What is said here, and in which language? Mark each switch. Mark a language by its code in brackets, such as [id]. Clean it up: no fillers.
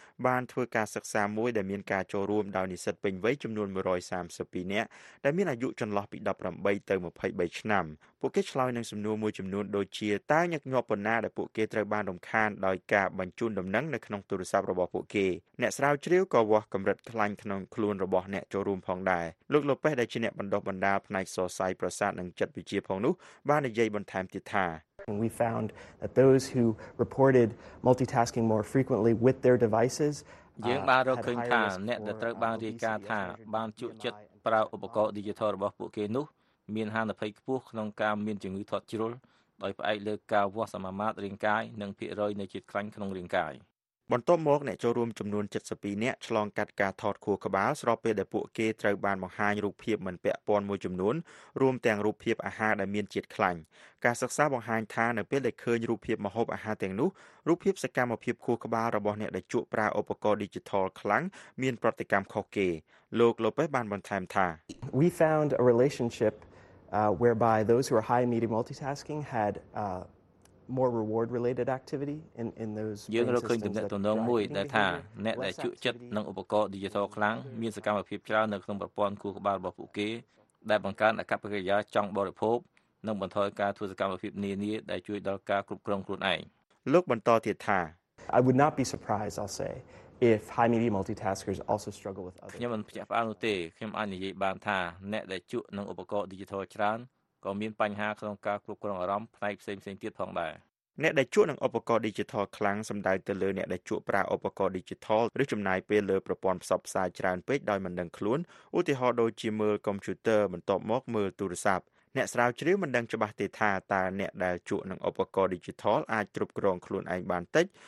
[km] បានធ្វើការសិក្សាមួយដែលមានការចូលរួមដោយនិស្សិតពេញវ័យចំនួន132នាក់ដែលមានអាយុចន្លោះពី18ទៅ23ឆ្នាំពួកគេឆ្លើយនឹងសំណួរមួយចំនួនដូចជាតើញឹកញាប់ប៉ុណ្ណាដែលពួកគេត្រូវបានរំខានដោយការបញ្ជូនដំណឹងនៅក្នុងទូរស័ព្ទរបស់ពួកគេអ្នកស្រាវជ្រាវក៏វាស់កម្រិតខ្លាញ់ក្នុងខ្លួនរបស់អ្នកចូលរួមផងដែរលោក Lopez ដែលជាអ្នកបណ្ដុះបណ្ដាលផ្នែកសរសៃប្រសាទនិងចិត្តវិទ្យាផងបាននិយាយបន្ថែមទៀតថា [en] When we found that those who reported multitasking more frequently with their devices [km] យើងបានរកឃើញថាអ្នកដែលត្រូវបានរាយការណ៍ថាបានជក់ចិត្តប្រើឧបករណ៍ Digital របស់ពួកគេនោះមានហានិភ័យខ្ពស់ក្នុងការមានជំងឺធាត់ជ្រុលដោយផ្អែកលើការវាស់សមាមាត្ររាងកាយនិងភាគរយនៃជាតិខ្លាញ់ក្នុងរាងកាយ បន្ទាប់មកអ្នកចូលរួមចំនួន72នាក់ឆ្លងកាត់ការថតខួរក្បាលស្របពេលដែលពួកគេត្រូវបានបង្ហាញរូបភាពមិនពាក់ព័ន្ធមួយចំនួនរួមទាំងរូបភាពអាហារដែលមានជាតិខ្លាញ់ការសិក្សាបង្ហាញថានៅពេលដែលឃើញរូបភាពម្ហូបអាហារទាំងនោះរូបភាពសកម្មភាពខួរក្បាលរបស់អ្នកដែលជក់ប្រើឧបករណ៍ Digital ខ្លាំងមានប្រតិកម្មខុសគេលោក Lopez បានបន្ថែមថា [en] We found a relationship whereby those who are high media multitasking had more reward related activity in those [km] យើងរកឃើញទំនាក់ទំនងមួយដែលថាអ្នកដែលជក់ចិត្តនឹងឧបករណ៍ Digital ខ្លាំងមានសកម្មភាពច្រើននៅក្នុងប្រព័ន្ធខួរក្បាលរបស់ពួកគេដែលបង្កើនអកប្បកិរិយាចង់បរិភោគនិងបន្ថយការធ្វើសកម្មភាពនានាដែលជួយដល់ការគ្រប់គ្រងខ្លួនឯង លោកបន្តទៀតថា [en] I would not be surprised I'll say if high media multitaskers also struggle with others [km] ខ្ញុំមិនផ្ទះផ្អើលនោះទេខ្ញុំអាចនិយាយបានថាអ្នកដែលជក់នឹងឧបករណ៍ Digital ច្រើនក៏មានបញ្ហាក្នុងការគ្រប់គ្រងអារម្មណ៍ផ្នែកផ្សេងៗទៀតផងដែរ អ្នកដែលជក់នឹងឧបករណ៍ Digital ខ្លាំងសម្ដៅទៅលើអ្នកដែលជក់ប្រើឧបករណ៍ Digital ឬចំណាយពេលលើប្រព័ន្ធផ្សព្វផ្សាយច្រើនពេកដោយមិនដឹងខ្លួនឧទាហរណ៍ដូចជាមើលកុំព្យូទ័របន្ទាប់មកមើលទូរស័ព្ទអ្នកស្រាវជ្រាវមិនដឹងច្បាស់ទេថាតើអ្នកដែលជក់នឹងឧបករណ៍ Digital អាចគ្រប់គ្រងខ្លួនឯងបានតិច